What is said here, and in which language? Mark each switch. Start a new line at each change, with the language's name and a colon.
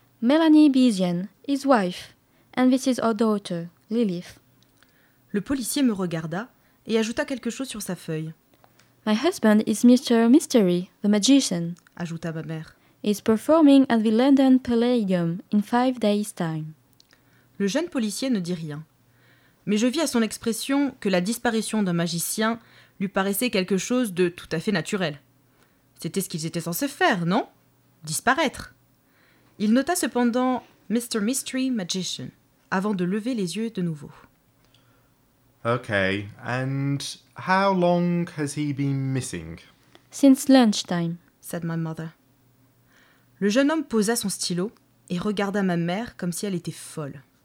English: Melanie Bezian, his wife, and this is our daughter, Lilith.
French: Le policier me regarda et ajouta quelque chose sur sa feuille.
English: My husband is Mr. Mystery, the magician,
French: ajouta ma mère.
English: He's performing at the London Palladium in 5 days' time.
French: Le jeune policier ne dit rien. Mais je vis à son expression que la disparition d'un magicien lui paraissait quelque chose de tout à fait naturel. C'était ce qu'ils étaient censés faire, non ? Disparaître. Il nota cependant « Mr. Mystery Magician » avant de lever les yeux de nouveau.
English: « Ok, and how long has he been missing ?»« Since lunchtime, » said my mother.
French: Le jeune homme posa son stylo et regarda ma mère comme si elle était folle.